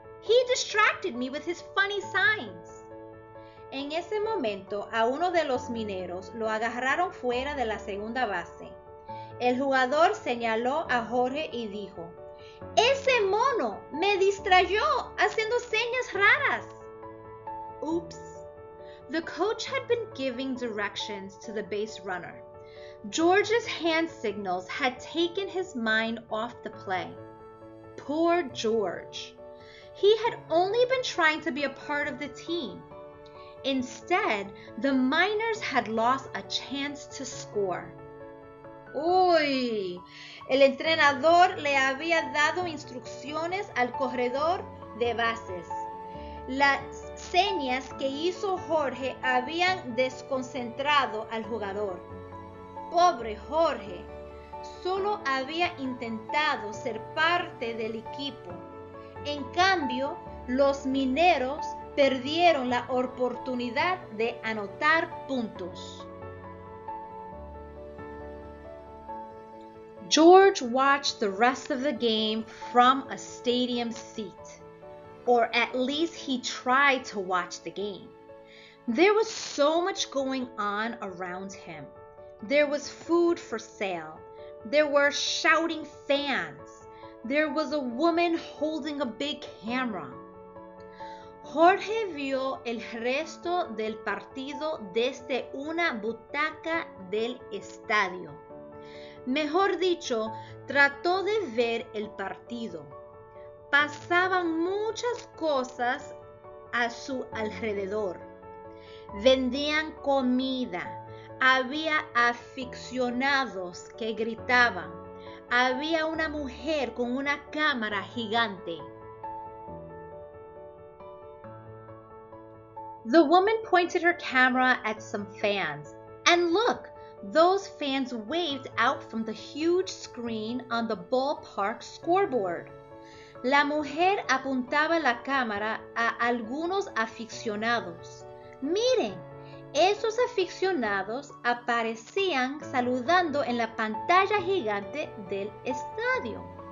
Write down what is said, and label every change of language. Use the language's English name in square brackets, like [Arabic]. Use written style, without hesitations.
[English] "He distracted me with his funny signs." [Spanish] En ese momento, a uno de los mineros lo agarraron fuera de la segunda base. El jugador señaló a Jorge y dijo, ¡ese mono me distrayó haciendo señas raras! [English] Oops. The coach had been giving directions to the base runner. George's hand signals had taken his mind off the play. Poor George. He had only been trying to be a part of the team. Instead, the miners had lost a chance to score. [Spanish] ¡Uy! El entrenador le había dado instrucciones al corredor de bases. Las señas que hizo Jorge habían desconcentrado al jugador. ¡Pobre Jorge! Solo había intentado ser parte del equipo. En cambio, los mineros perdieron la oportunidad de anotar puntos. [English] George watched the rest of the game from a stadium seat, or at least he tried to watch the game. There was so much going on around him. There was food for sale. There were shouting fans. There was a woman holding a big camera. [Spanish] Jorge vio el resto del partido desde una butaca del estadio. Mejor dicho, trató de ver el partido. Pasaban muchas cosas a su alrededor. Vendían comida. Había aficionados que gritaban. Había una mujer con una cámara gigante. [English] The woman pointed her camera at some fans. And look, those fans waved out from the huge screen on the ballpark scoreboard. [Spanish] La mujer apuntaba la cámara a algunos aficionados. Miren, esos aficionados aparecían saludando en la pantalla gigante del estadio.